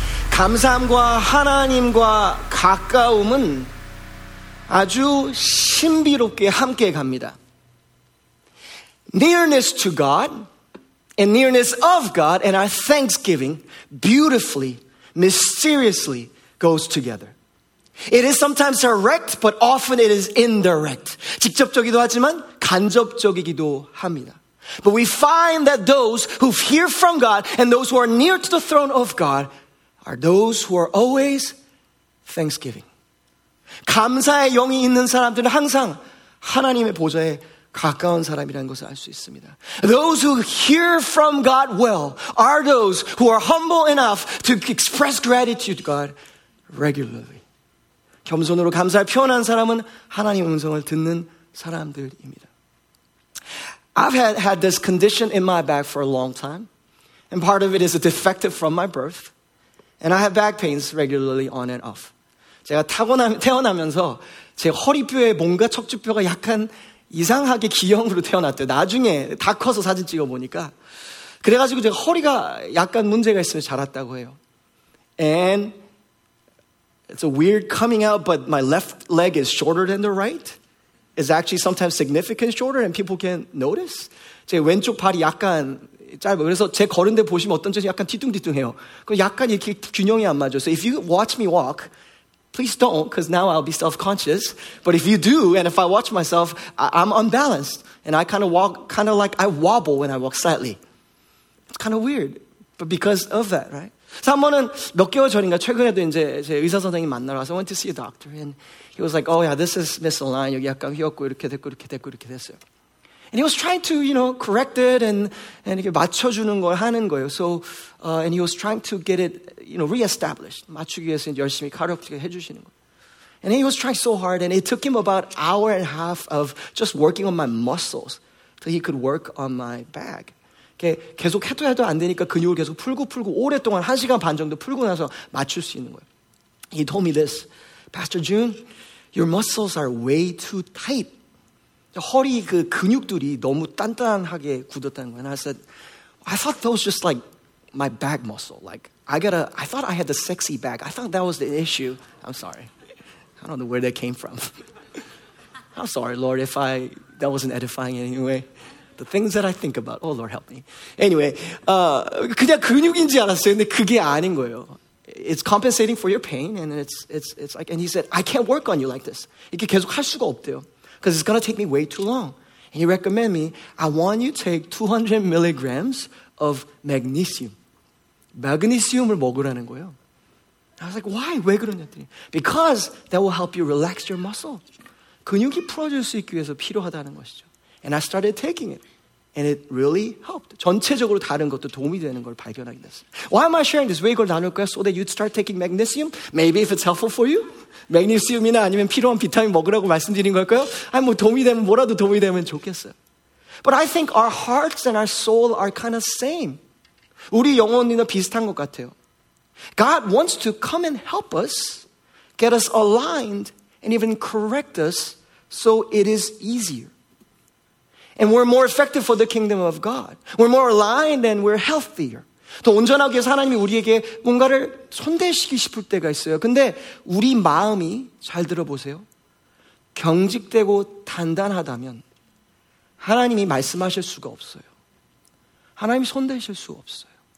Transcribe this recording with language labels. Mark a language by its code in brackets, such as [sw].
[ko] 감사함과 하나님과 가까움은 아주 신비롭게 함께 갑니다. [en] Nearness to God and nearness of God and our thanksgiving beautifully, mysteriously goes together. It is sometimes direct, but often it is indirect. [ko] 직접적이기도 하지만 간접적이기도 합니다. [en] But we find that those who hear from God and those who are near to the throne of God are those who are always thanksgiving. [ko] 감사의 영이 있는 사람들은 항상 하나님의 보좌에 가까운 사람이라는 것을 알 수 있습니다. [en] Those who hear from God well are those who are humble enough to express gratitude to God regularly. [ko] 겸손으로 감사를 표현한 사람은 하나님의 음성을 듣는 사람들입니다. [en] I've had this condition in my back for a long time, and part of it is a defective from my birth, and I have back pains regularly on and off. [ko] 제가 태어나면서 제 허리뼈에 뭔가 척추뼈가 약간 이상하게 기형으로 태어났대요. 나중에 다 커서 사진 찍어보니까. 그래가지고 제가 허리가 약간 문제가 있으면 자랐다고 해요. [en] And it's a weird coming out, but my left leg is shorter than the right. It's actually sometimes significant shorter and people can notice. [ko] 제 왼쪽 발이 약간 짧아요. 그래서 제 걸음대 보시면 어떤지 약간 뒤뚱뒤뚱해요. 약간 이렇게 균형이 안 맞아요. [en] So if you watch me walk, please don't, because now I'll be self-conscious. But if you do, and if I watch myself, I'm unbalanced. And I kind of walk, kind of like I wobble when I walk slightly. It's kind of weird, but because of that, right? [ko] So 한 번은 몇 개월 전인가 최근에도 이제 제 의사 선생님 만나러 와서 [en] I went to see a doctor. And he was like, oh yeah, this is misaligned. [ko] 여기 약간 휘었고 이렇게 됐고 이렇게 됐고 이렇게 됐어요. [en] And he was trying to, you know, correct it and [ko] 이렇게 맞춰주는 걸 하는 거예요. [en] So, and he was trying to get it, you know, reestablished. [ko] 맞추기 위해서 열심히 가볍게 해주시는 거예요. [en] And he was trying so hard and it took him about an hour and a half of just working on my muscles till he could work on my back. [ko] 계속 해도 해도 안 되니까 근육을 계속 풀고 풀고 오랫동안 한 시간 반 정도 풀고 나서 맞출 수 있는 거예요. [en] He told me this, Pastor June, your muscles are way too tight. [ko] 허리 그 근육들이 너무 단단하게 굳었다는 거예요. [en] And I said, I thought that was just like my back muscle. Like, I thought I had the sexy back. I thought that was the issue. I'm sorry. I don't know where that came from. I'm sorry, Lord, if I, that wasn't edifying anyway. The things that I think about. Oh, Lord, help me. Anyway, [ko] 그냥 근육인지 알았어요. 근데 그게 아닌 거예요. [en] It's compensating for your pain. And it's like, and he said, I can't work on you like this. [ko] 이렇게 계속 할 수가 없대요. [en] Because it's going to take me way too long. And you recommend me, I want you to take 200 milligrams of magnesium. [ko] 마그네슘을 먹으라는 거예요. [en] I was like, why? [ko] 왜 그러냐더니. [en] Because that will help you relax your muscle. [ko] 근육이 풀어줄 수 있기 위해서 필요하다는 것이죠. [en] And I started taking it. And it really helped. [ko] 전체적으로 다른 것도 도움이 되는 걸 발견하게 됐어요. [en] Why am I sharing this? [ko] 왜 이걸 나눌 거야? [en] So that you'd start taking magnesium? Maybe if it's helpful for you? [ko] 매그네슘이나 아니면 필요한 비타민 먹으라고 말씀드린 걸까요? 아니 뭐 도움이 되면 뭐라도 도움이 되면 좋겠어요. [en] But I think our hearts and our soul are kind of same. [ko] 우리 영혼이나 비슷한 것 같아요. [en] God wants to come and help us, get us aligned, and even correct us so it is easier. And we're more effective for the kingdom of God. We're more aligned and we're healthier. [ko] 더 온전하기 위해서 하나님이 우리에게 뭔가를 손대시키고 싶을 때가 있어요. 근데 우리 마음이 잘 들어보세요. 경직되고 단단하다면 하나님이 말씀하실 수가 없어요. 하나님이 손대실 수 없어요.